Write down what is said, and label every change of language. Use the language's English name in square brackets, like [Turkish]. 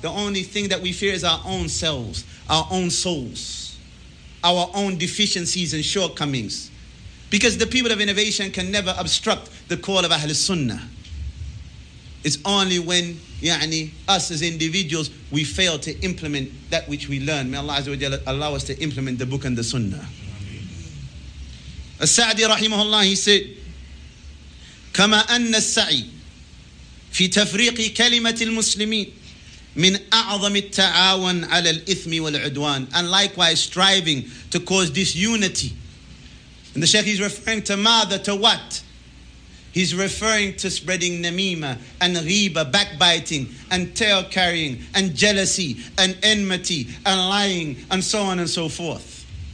[English] The only thing that we fear is our own selves, our own souls, our own deficiencies and shortcomings. Because the people of innovation can never obstruct the call of Ahl Sunnah. It's only when [Arabic] يعني, [English] us as individuals, we fail to implement that which we learn. May Allah Azza wa Jalla allow us to implement the book and the sunnah. As-Sa'di rahimahullah, he said, [Arabic] كَمَا أَنَّ السَّعِي فِي تَفْرِيقِ كَلِمَةِ الْمُسْلِمِينَ مِنْ أَعْظَمِ التَّعَاوَنْ عَلَى الْإِثْمِ وَالْعُدْوَانِ, [English] and likewise striving to cause disunity. And the Shaykh is referring to mother, to what? He's referring to spreading namima and ghiba, backbiting and tail carrying and jealousy and enmity and lying and so on and so forth.